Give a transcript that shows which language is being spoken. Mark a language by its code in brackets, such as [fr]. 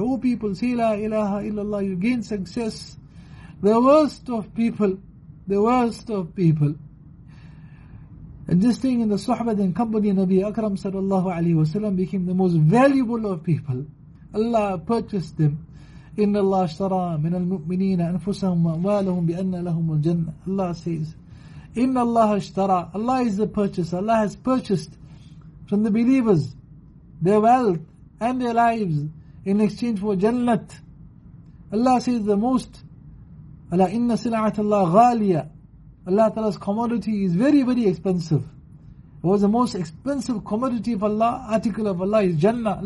[en] Oh people, say [ar] لا إله إلا الله, [en] you gain success. The worst of people, the worst of people. And just staying in the sohbat and company of Nabi Akram sallallahu alayhi wa sallam became the most valuable of people. Allah purchased them. [ar] إن الله اشترى من المؤمنين أنفسهم وأموالهم بأن لهم الجنة. [en] Allah says, [ar] إن الله اشترى. [en] Allah is the purchaser. Allah has purchased from the believers their wealth and their lives in exchange for Jannat. Allah says the most. Allah, inna sila'ata Allah ghaliya. Allah Ta'ala's commodity is very, very expensive. What was the most expensive commodity of Allah, article of Allah, is Jannah.